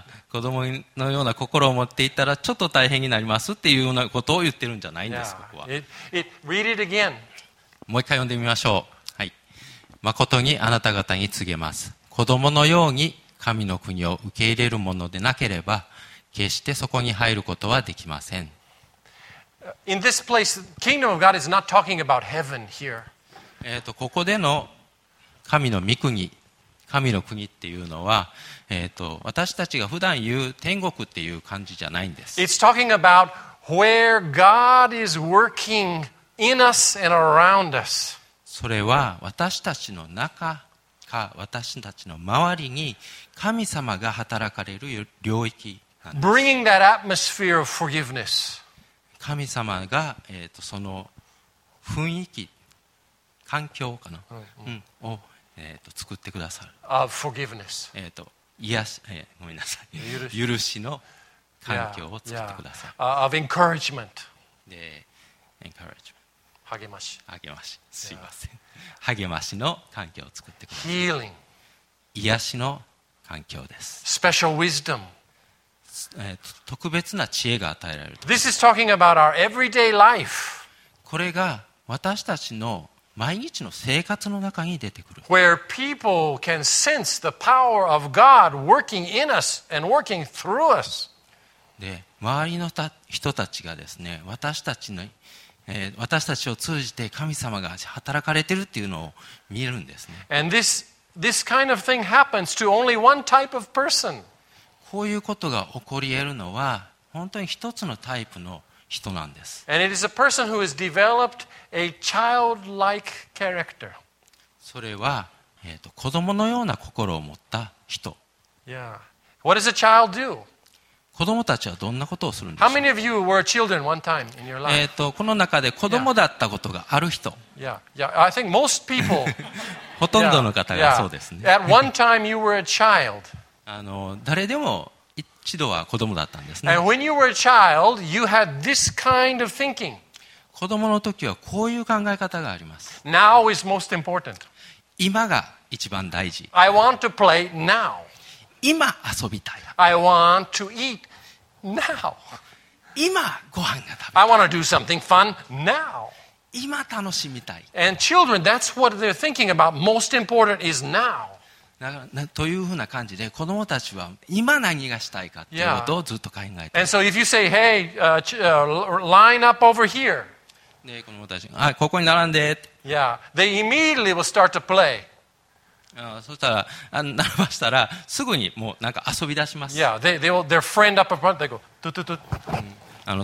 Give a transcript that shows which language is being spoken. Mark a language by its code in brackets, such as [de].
[ja] 子供のような心を持っていたらちょっと大変になりますっていうようなことを言ってるんじゃないんです。ここは。 [en] Read it again. [ja] もう一回読んでみましょう。はい。誠にあなた方に告げます。子供のように神の国を受け入れるものでなければ、決してそこに入ることはできません。 [en] In this place, the kingdom of God is not talking about heaven here. [ja] ここでの神の御国。神の国っていうのは、私たちが普段言う天国っていう感じじゃないんです。 [en] It's talking about where God is working in us and around us. [ja] それは私たちの中か私たちの周りに神様が働かれる領域なんです。 [en] Bringing that atmosphere of forgiveness. [ja] 神様が、その雰囲気、環境かな、を作ってくださる。 [en] Of forgiveness. [ja] 癒し、ごめんなさい。許しの環境を作ってください。 [en] Yeah, yeah. Of encouragement. [ja] で、encouragement. 励まし。励まし。すいません。 [en] Yeah. [ja] 励ましの環境を作ってください。 [en] Healing. [ja] 癒しの環境です。 [en] Special wisdom. [ja] 特別な知恵が与えられると。 [en] This is talking about our everyday life. [ja] これが私たちの毎日の生活の中に出てくる。 [en] Where people can sense the power of God working in us and working through us. [ja] で、周りの人たちがですね、私たちの、私たちを通じて神様が働かれてるっていうのを見るんですね。 [en] And this kind of thing happens to only one type of person. [ja] こういうことが起こり得るのは本当に一つのタイプの人なんです。 [en] And it is a person who has developed a childlike character. [ja] それは、子供のような心を持った人。 [en] Yeah. What does a child do? [ja] 子供たちはどんなことをするんで [en] しょう? How many of you were children one time in your life? [ja] この中で子供だったことがある人。 [en] Yeah. Yeah. I think most people. [ja] ほとんどの方がそうですね。 [en] At one time you were a child. [ja] 誰でも一度は子供だったんですね。 [en] And when you were a child, you had this kind of thinking. [ja] 子子供の時はこういう考え方があります。 [en] Now is most important. [ja] 今が一番大事。 [en] I want to play now. [ja] 今遊びたい。 [en] I want to eat now. [ja] 今ご飯が食べ [en] たい。I want to do something fun now. [ja] 今楽しみたい。 [en] And children, that's what they're thinking about. Most important is now. [ja] というふうな感じで子どもたちは今何がしたいかということをずっと考えています。 [en] And so if you say, hey, line up over here. [ja] ね、子どもたちが、ここに並んで。 [en] Yeah, they immediately will start to play. [ja] そしたら、並ばしたらすぐにもうなんか遊び出します。 [en] Yeah, their friend up front, they go, トゥトゥトゥ。